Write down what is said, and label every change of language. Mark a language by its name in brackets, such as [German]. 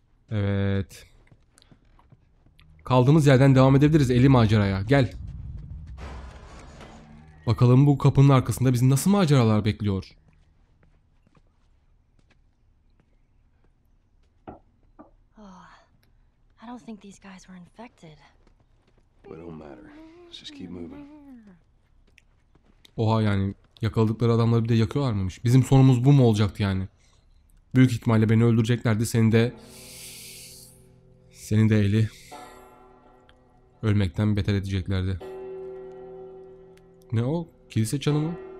[Turkish] Evet. Kaldığımız yerden devam edebiliriz eli maceraya. Gel. Bakalım bu kapının arkasında bizi nasıl maceralar bekliyor. [English] Oh, I don't think these guys were infected. It don't matter. Just keep moving. [Turkish] Oha, yani yakaladıkları adamları bir de yakıyorlar mıymış? Bizim sonumuz bu mu olacaktı yani? Büyük ihtimalle beni öldüreceklerdi. Seni de... Seni de Eli... Ölmekten beter edeceklerdi. Ne o? Kilise çanı mı?